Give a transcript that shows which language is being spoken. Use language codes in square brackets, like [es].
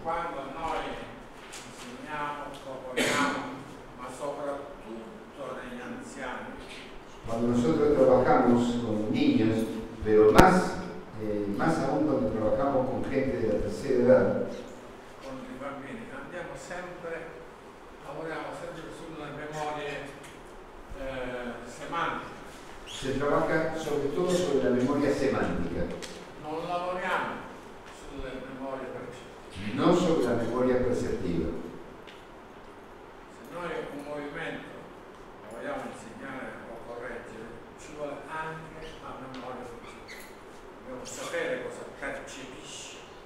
[it] Quando noi insegniamo, proponiamo, ma soprattutto negli anziani. [es] Quando nosotros trabajamos con niños, pero más aún cuando trabajamos con gente de la tercera edad. [it] Con i bambini, andiamo sempre, lavoriamo sempre sulle memorie semantiche. [es] Se trabaja sobre todo sobre la memoria semántica. [it] Non lavoriamo sulle memorie percettive. Non sulla la memoria percettiva. Se noi un movimento lo vogliamo insegnare o correggere, ci vuole anche la memoria percettiva. Dobbiamo sapere cosa percepisce.